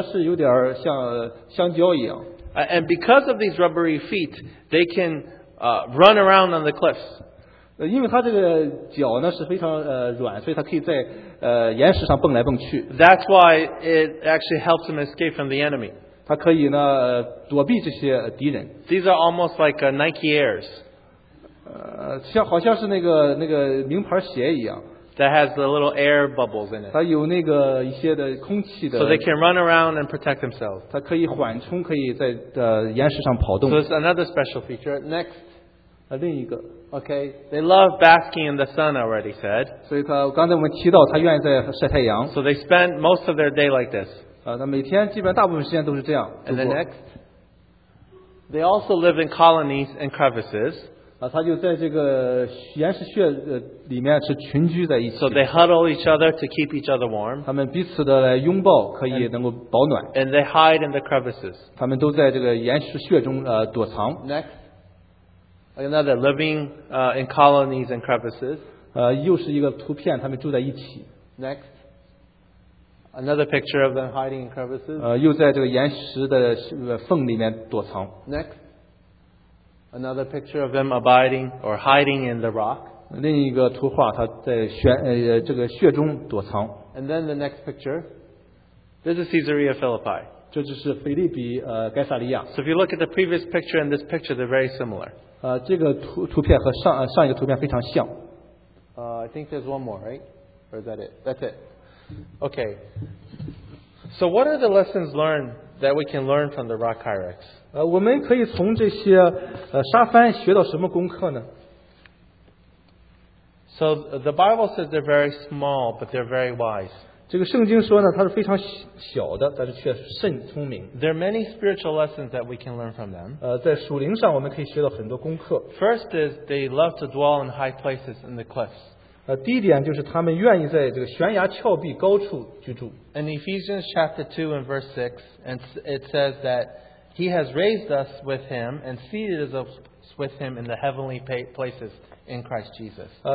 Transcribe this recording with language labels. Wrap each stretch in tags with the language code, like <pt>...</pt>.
<zh>他们也有这个，他这个脚呢是有点像香蕉一样。</zh> <en>And because of these rubbery feet, they can run around on the cliffs.</en> <zh>因为他这个脚呢是非常软，所以他可以在岩石上蹦来蹦去。</zh> <en>That's why it actually helps them escape from the enemy.</en> <zh>他可以呢躲避这些敌人。</zh> <en>These are almost like Nike Airs.</en> <zh>像好像是那个名牌鞋一样。</zh> <en>That has the little air bubbles in it.</en> <zh>它有那个一些的空气的。</zh> <en>So they can run around and protect themselves.</en> <zh>它可以缓冲，可以在岩石上跑动。</zh> <en>So it's another special feature. Next.</en> <zh>另一个。</zh> <en>Okay. They love basking in the sun, I already said.</en> <zh>所以它，刚才我们提到，它愿意在晒太阳。</zh> <en>So they spend most of their day like this. And the next, they also live in colonies and crevices.</en> <zh>他就在这个岩石穴里面是群居在一起。</zh> <en>So they huddle each other to keep each other warm.</en> <zh>他们彼此的来拥抱, 可以能够保暖。</zh> <en>And they hide in the crevices.</en> <zh>他们都在这个岩石穴中,</zh> <en>Next, another living in colonies and crevices.</en> <zh>又是一个图片,</zh> <en>Next, another picture of them hiding in crevices.</en> <zh>又在这个岩石的缝里面躲藏。</zh> <en>Next, another picture of them abiding or hiding in the rock.</en> <zh>另一个图画, 他在这个穴中躲藏。</zh> <en>And then the next picture, this is Caesarea Philippi.</en> <zh>这就是腓立比, Gaisaria。</zh> <en>So if you look at the previous picture and this picture, they're very similar.</en> <zh>这个图片和上一个图片非常像。</zh> <en>I think there's one more, right? Or is that it? That's it. Okay. So what are the lessons learned that we can learn from the rock hyrax?</en> <zh>我们可以从这些沙帆学到什么功课呢?</zh> <en>So the Bible says they're very small, but they're very wise.</en> <zh>这个圣经说呢, 它是非常小的, 但是却甚聪明。</zh> <en>There are many spiritual lessons that we can learn from them.</en> <zh>在属灵上我们可以学到很多功课。</zh> <en>First is they love to dwell in high places in the cliffs.</en> <zh>第一点就是他们愿意在这个悬崖峭壁高处居住。</zh> <en>In Ephesians chapter 2 and verse 6, it says that He has raised us with Him and seated us with Him in the heavenly places in Christ Jesus.</en>